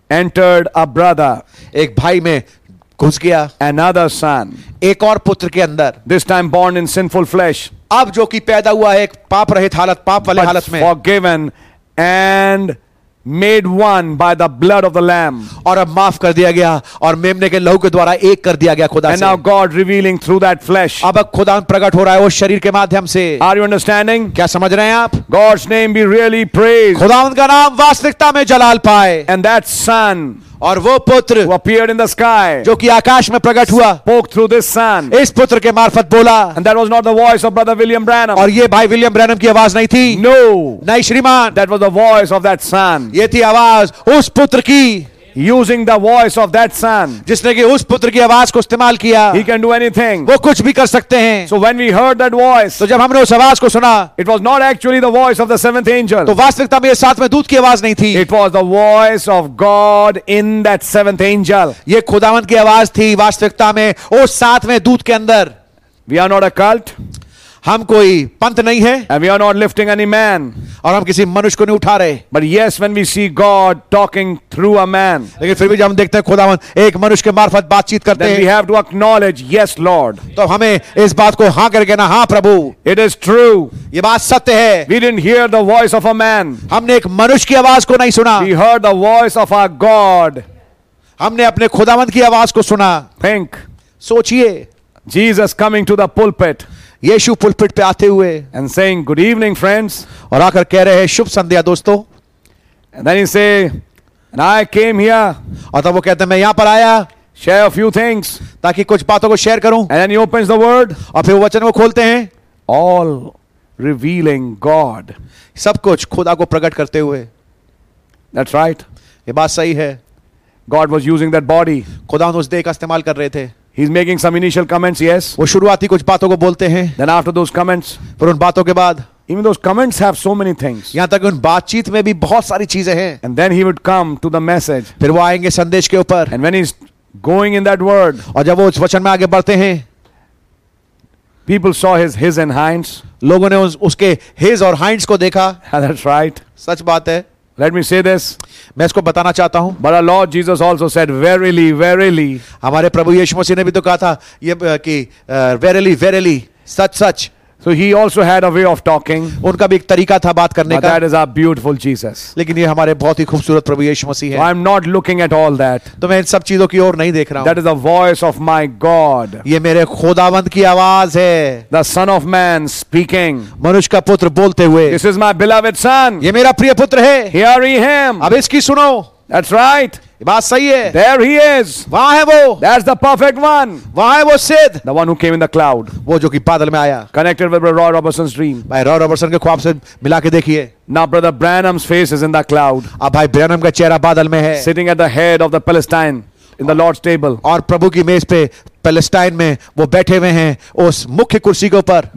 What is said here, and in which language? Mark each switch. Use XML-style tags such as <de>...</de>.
<en>entered a brother,</en> <hi>ek bhai mein ghus gaya.</hi> <en>Another son,</en> <hi>ek aur putra ke andar.</hi> <en>This time born in sinful flesh,</en> <hi>ab jo ki paida hua ek paap rahit halat, paap wale halat mein.</hi> <en>Forgiven and made one by the blood of the lamb.</en> <hi>और अब माफ कर दिया गया और मेमने के लहू के द्वारा एक कर दिया गया खुदा से.</hi> <en>And now God revealing through that flesh.</en> <hi>अब खुदा प्रकट हो रहा है वो शरीर के माध्यम से.</hi> <en>Are you understanding?</en> <hi>क्या समझ रहे हैं आप?</hi> <en>God's name be really praised.</en> <hi>खुदावंद का नाम वास्तविकता में जलाल पाए.</hi> <en>And that son.</en> <hi>और वो पुत्र</hi> <en>who appeared in the sky,</en> <hi>जो कि आकाश में प्रकट हुआ,</hi> <en>spoke through this son,</en> <hi>इस पुत्र के मार्फत बोला,</hi> <en>and that was not the voice of brother William Branham,</en> <hi>और ये भाई विलियम ब्रैनम की आवाज नहीं थी,</hi> <en>no,</en> <hi>नहीं श्रीमान,</hi> <en>that was the voice of that son,</en> <hi>ये थी आवाज उस पुत्र की.</hi> <en>Using the voice of that son,</en> <hi>जिसने कि उस पुत्र की आवाज को इस्तेमाल किया,</hi> <en>he can do anything,</en> <hi>वो कुछ भी कर सकते हैं.</hi> <en>So when we heard that voice,</en> <hi>तो जब हमने उस आवाज को सुना,</hi> <en>it was not actually the voice of the seventh angel,</en> <hi>तो वास्तविकता में ये सातवें दूत की आवाज नहीं थी.</hi> <en>It was the voice of God in that seventh angel,</en> <hi>ये खुदावंत की आवाज थी वास्तविकता में उस सातवें दूत के अंदर.</hi> <en>We are not a cult,</en> <hi>हम कोई पंथ नहीं है,</hi> <en>and we are not lifting any man,</en> <hi>और हम किसी मनुष्य को नहीं उठा रहे.</hi> <en>But yes, when we see God talking through a man,</en> <hi>लेकिन फिर भी जब हम देखते हैं खुदावंद एक मनुष्य के मार्फत बातचीत करते हैं,</hi> <en>then we have to acknowledge, yes, Lord.</en> <hi>तो हमें इस बात को हाँ करके ना, हाँ प्रभु.</hi> <en>It is true.</en> <hi>ये बात सत्य है.</hi> <en>We didn't hear the voice of a man.</en> <hi>हमने एक मनुष्य की आवाज को नहीं सुना.</hi> <en>We heard the voice of our God.</en> <hi>हमने अपने खुदावंद की आवाज को सुना.</hi> <en>Think.</en> <hi>सोचिए.</hi> <en>Jesus coming to the pulpit.</en> <hi>Yeshu pulpit पे आते हुए</hi> <en>and saying good evening friends,</en> <hi>और आकर कह रहे हैं शुभ संध्या दोस्तों.</hi> <en>And then he say, and I came here,</en> <hi>और तब वो कहते हैं मैं यहाँ पर आया,</hi> <en>share a few things,</en> <hi>ताकि कुछ बातों को शेयर करूं.</hi> <en>And then he opens the word,</en> <hi>और फिर वो वचन को खोलते हैं.</hi> <en>All revealing God,</en> <hi>सब कुछ खुदा को प्रकट करते हुए.</hi> <en>That's right,</en> <hi>ये बात सही है.</hi> <en>God was using that body,</en> <hi>खुदा उस देह का इस्तेमाल कर रहे थे.</hi> <en>He's making some initial comments, yes.</en> <hi>वो शुरुआती कुछ बातों को बोलते हैं.</hi> <en>Then after those comments,</en> <hi>फिर उन बातों के बाद,</hi> <en>even those comments have so many things.</en> <hi>यहाँ तक उन बातचीत में भी बहुत सारी चीजें हैं.</hi> <en>And then he would come to the message.</en> <hi>फिर वो आएंगे संदेश के ऊपर.</hi> <en>And when he's going in that word,</en> <hi>और जब वो उस वचन में आगे बढ़ते हैं,</hi> <en>people saw his and Heinz.</en> <hi>लोगों ने उसके his और Heinz को देखा.</hi> <en>That's right.</en> <hi>सच बात है.</hi> <en>Let me say this.</en> <hi>मैं इसको बताना चाहता हूँ.</hi> <en>But our Lord Jesus also said, verily, verily.</en> <hi>हमारे प्रभु यीशु मसीह ने भी तो कहा था ये कि</hi> <en>verily, verily, such, such. So he also had a way of talking.</en> <hi>उनका भी एक तरीका था बात करने का.</hi> <en>That is our beautiful Jesus.</en> <hi>लेकिन ये हमारे बहुत ही खूबसूरत प्रभु यीशु मसीह हैं.</hi> <en>I am not looking at all that.</en> <hi>तो मैं इन सब चीजों की ओर नहीं देख रहा हूँ.</hi> <en>That is the voice of my God.</en> <hi>ये मेरे खुदावंद की आवाज है.</hi> <en>The Son of Man speaking.</en> <hi>मनुष्य का पुत्र बोलते हुए.</hi> <en>This is my beloved Son.</en> <hi>ये मेरा प्रिय पुत्र है.</hi> <en>Hearing him.</en> <hi>अब इसकी सुनो.</hi> <en>That's right.</en> <hi>बात सही है.</hi> <en>There he is.</en> <hi>वहाँ है वो.</hi> <en>That's the perfect one.</en> <hi>वहाँ है वो सिद्ध.</hi> <en>The one who came in the cloud.</en> <hi>वो जो कि बादल में आया.</hi> <en>Connected with Roy Robertson's dream.</en> <hi>भाई रॉय रॉबर्टसन के ख्वाब से मिला के देखिए.</hi> <en>Now brother Branham's face is in the cloud.</en> <hi>अब भाई ब्रैनम का चेहरा बादल में है.</hi> <en>Sitting at the head of the Palestine in the Lord's table.</en> <hi>और प्रभु की मेज पे पैलेस्टाइन में वो बैठे हुए हैं उस मुख्य कुर्सी के ऊपर.</hi>